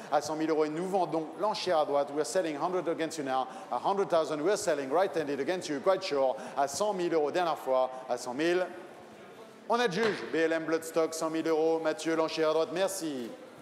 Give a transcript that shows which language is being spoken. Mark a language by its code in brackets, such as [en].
[fr] À 100 000 euros, et nous vendons l'enchère à droite. [en] We're selling 100 against you now. À 100,000, we're selling right-handed against you, quite sure. [fr] À 100 000 euros, dernière fois, à 100 000. On adjuge. BLM Bloodstock, 100 000 euros. Mathieu, l'enchère à droite, merci.